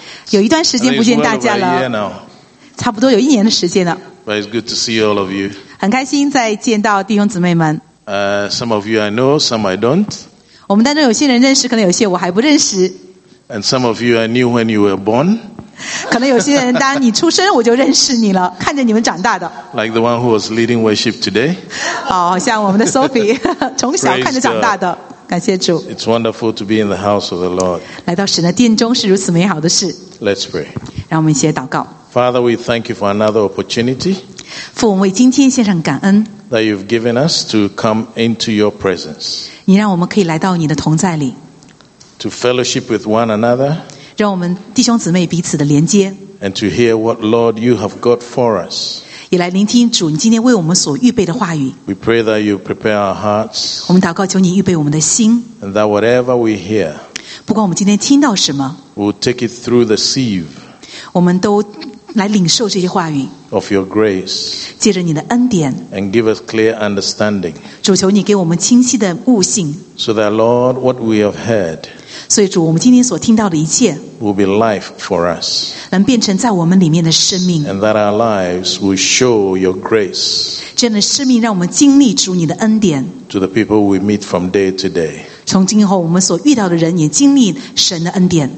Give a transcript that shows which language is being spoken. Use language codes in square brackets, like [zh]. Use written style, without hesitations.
[zh] 有一段时间不见大家了，差不多有一年的时间了。 [en] But it's good to see all of you. [zh] 很开心再见到弟兄姊妹们。 [en] Some of you I know, some I don't. [zh] 我们当中有些人认识，可能有些我还不认识。 [en] And some of you I knew when you were born. [zh] 可能有些人当你出生我就认识你了，看着你们长大的。 [en] Like the one who was leading worship today. [zh] 好像我们的 Sophie, 从小看着长大的。感谢主。 [en] It's wonderful to be in the house of the Lord. [zh] 来到神的殿中是如此美好的事。 [en] Let's pray. [zh] 让我们一起祷告。 [en] Father, we thank you for another opportunity. [zh] 父，我们为今天献上感恩。 [en] That you've given us to come into your presence. [zh] 你让我们可以来到你的同在里。 [en] To fellowship with one another. [zh] 让我们弟兄姊妹彼此的连接。 [en] And to hear what Lord you have got for us. [zh] 也来聆听主你今天为我们所预备的话语。 [en] We pray that you prepare our hearts. [zh] 我们祷告求你预备我们的心。 [en] And that whatever we hear. [zh] 不管我们今天听到什么。 [en] We'll take it through the sieve. [zh] 我们都来领受这些话语。 [en] Of your grace. [zh] 借着你的恩典。 [en] And give us clear understanding. [zh] 主求你给我们清晰的悟性。 [en] So that Lord what we have heard. [zh] 所以主我们今天所听到的一切 [en] will be life for us, [zh] 能变成在我们里面的生命 [en] and that our lives will show your grace, [zh] 这样的生命让我们经历主你的恩典 [en] to the people we meet from day to day, [zh] 从今后我们所遇到的人也经历神的恩典